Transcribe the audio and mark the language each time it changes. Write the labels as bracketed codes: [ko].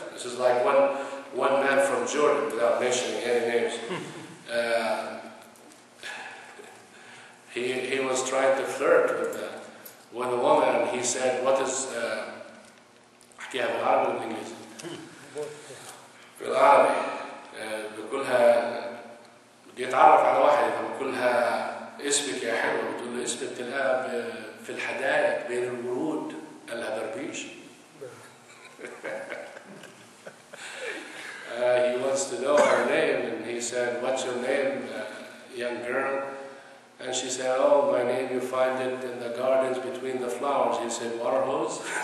[en] This is like one man from Jordan, without mentioning any names. He was trying to flirt with a woman, and he said, what is, I can't have a lot of English. [ar] في العربي بقولها بيتعرف على واحد بقولها اسمك يا حلوة بتقول له اسمك تلقاها في الحدائق بين الورود قالها دربيش. [en] He wants to know her name and he said, what's your name, young girl? And she said, oh, my name, you find it in the gardens between the flowers. He said, water hose?